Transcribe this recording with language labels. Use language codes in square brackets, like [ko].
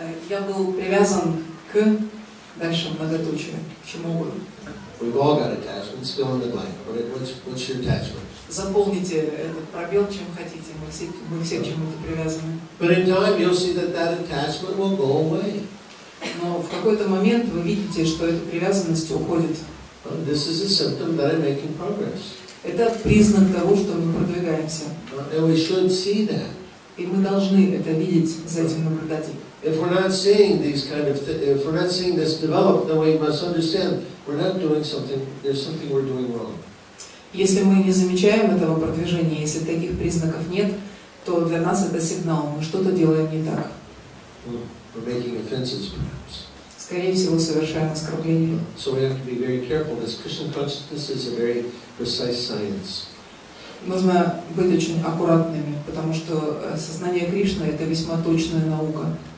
[ru] Я был привязан к дальше многоточие, к чему угодно. [en] We've all got attachments, fill in the blank. What's your attachment? [ru] Заполните этот пробел, чем хотите. Мы все к чему-то привязаны. [en] But in time, you'll see that attachment will go away. [ru] Но в какой-то момент вы видите, что эта привязанность уходит. [en] This is a symptom that I'm making progress. [ru] Это признак того, что мы продвигаемся. [en] And we should see that. [ru] И мы должны это видеть, за этим наблюдать. [en] If we're not seeing these kind of if we're not seeing this develop, then we must understand we're not doing something, there's something we're doing wrong. [ru] Если мы не замечаем этого продвижения, если таких признаков нет, то для нас это сигнал, мы что-то делаем не так. [en] We're making offenses, perhaps. [ru] Скорее всего, совершаем оскорбление. [en] So we have to be very careful. This Krishna consciousness is a very precise science. [ru] Нужно быть очень аккуратными, потому что сознание Кришны — это весьма точная наука.